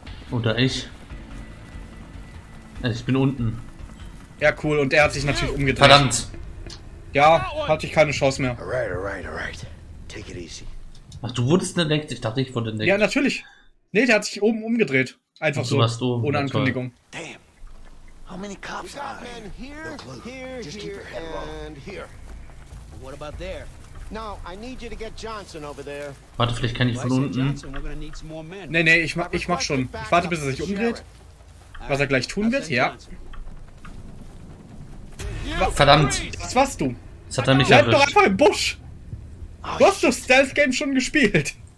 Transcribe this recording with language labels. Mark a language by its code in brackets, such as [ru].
[de] Oder ich. Also ich bin unten. Ja, cool. Und er hat sich natürlich umgedreht. Verdammt. Ja, hatte ich keine Chance mehr. [en] All right. Take it easy. [de] Ach, du wurdest entdeckt? Ich dachte, ich wurde entdeckt. Ja, natürlich. Nee, der hat sich oben umgedreht. Einfach so. Warst du oben. Ohne Ankündigung. [en] Damn. How many cops are there? No clue. Just keep your head low. What about there? No, I need you to get Johnson over there. [de] Warte, vielleicht kann ich von unten. Nee, ich mach schon. Ich warte, bis er sich umdreht. Was er gleich tun wird, ja. Verdammt. Was warst du? Das hat er mich erwischt. Bleib doch einfach im Busch. Du hast doch Stealth Game schon gespielt.